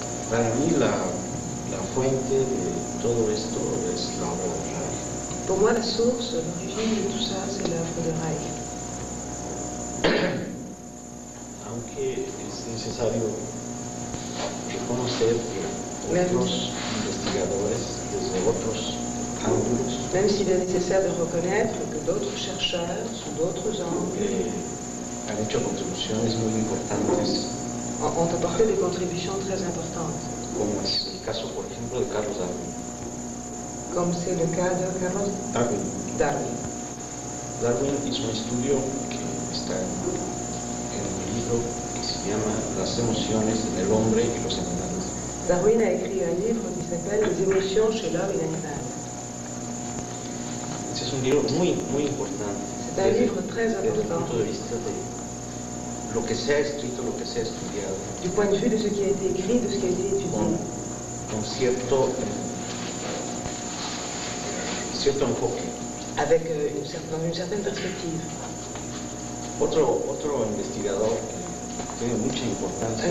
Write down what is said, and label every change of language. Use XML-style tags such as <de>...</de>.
<es>Para mí la fuente de todo esto es la obra de Reich.</es> <fr>Pour moi la source, l'origine de tout ça, c'est l'œuvre de Reich.</fr> <es>Aunque es necesario reconocer que otros investigadores desde otros ángulos.</es> <fr>Même s'il est nécessaire de reconnaître que d'autres chercheurs sous d'autres angles</fr> <es>han hecho contribuciones muy importantes.</es> <fr>Ont apporté des contributions très importantes.</fr> <es>Como es el caso, por ejemplo, de Carlos Darwin.</es> <fr>Comme c'est le cas de Carlos Darwin. Darwin.</fr> <es>Darwin hizo un estudio que está en un libro que se llama Las emociones en el hombre y los animales.</es> <fr>Darwin a écrit un livre qui s'appelle Les émotions chez l'homme et l'animal.</fr> <es>Ese es un libro muy, muy importante.</es> <fr>C'est un livre très important.</fr> <es>Lo que se ha escrito, lo que se ha estudiado.</es> <fr>Du point de vue de ce qui a été écrit, de ce qui a été étudié.</fr> <es>Con cierto enfoque.</es> <fr>Avec une certaine perspective.</fr> <es>Otro investigador que tiene mucha importancia.</es>